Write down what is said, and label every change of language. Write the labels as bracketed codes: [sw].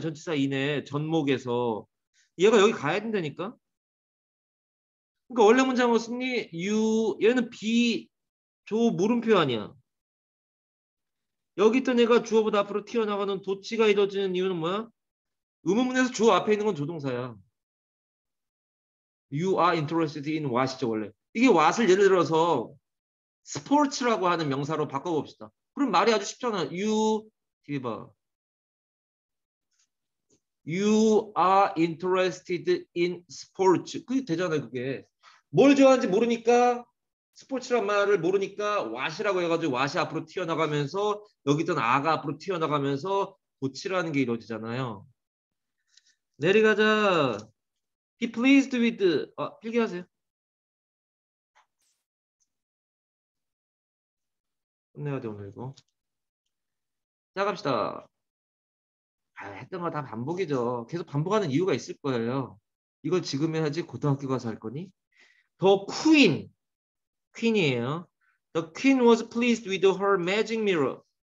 [ko] 전치사 in의 전목에서. 얘가 여기 가야 된다니까? 그러니까 원래 문장은 승리, you, 얘는 be, 조, 물음표 아니야. 여기 있던 얘가 주어보다 앞으로 튀어나가는 도치가 이루어지는 이유는 뭐야? 의문문에서 주어 앞에 있는 건 조동사야. [en] You are interested in what [ko] 이죠, 원래. 이게 what을 예를 들어서 sports라고 하는 명사로 바꿔봅시다. 그럼 말이 아주 쉽잖아. [en] You, [ko] 뒤에 봐. [en] You are interested in sports. [ko] 그게 되잖아요, 그게. 뭘 좋아하는지 모르니까 스포츠란 말을 모르니까 what이라고 해가지고 what이 앞으로 튀어나가면서 여기 있던 아가 앞으로 튀어나가면서 도치라는 게 이루어지잖아요. 내려가자. [en] Be pleased with. [ko] 아, 필기하세요. 끝내야 돼 오늘 이거. 자 갑시다. 아, 했던 거 다 반복이죠. 계속 반복하는 이유가 있을 거예요. 이걸 지금 해야지 고등학교 가서 할 거니? [en] The queen. [ko] 퀸이에요. [en] The queen was pleased with her magic mirror.